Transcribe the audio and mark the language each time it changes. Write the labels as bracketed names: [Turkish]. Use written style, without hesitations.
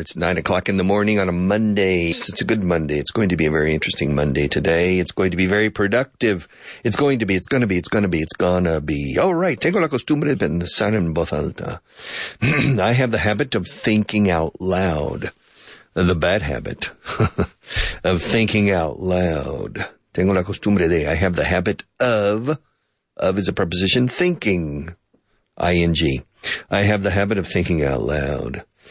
[English] It's 9 o'clock in the morning on a Monday. It's a good Monday. It's going to be a very interesting Monday today. It's going to be very productive. It's going to be, it's going to be, it's going to be, it's going to be. All right. [Spanish] Tengo la costumbre de pensar en voz alta. [English] I have the habit of thinking out loud. The bad habit of thinking out loud. Tengo la costumbre de, I have the habit of is a preposition, thinking, ing. I have the habit of thinking out loud.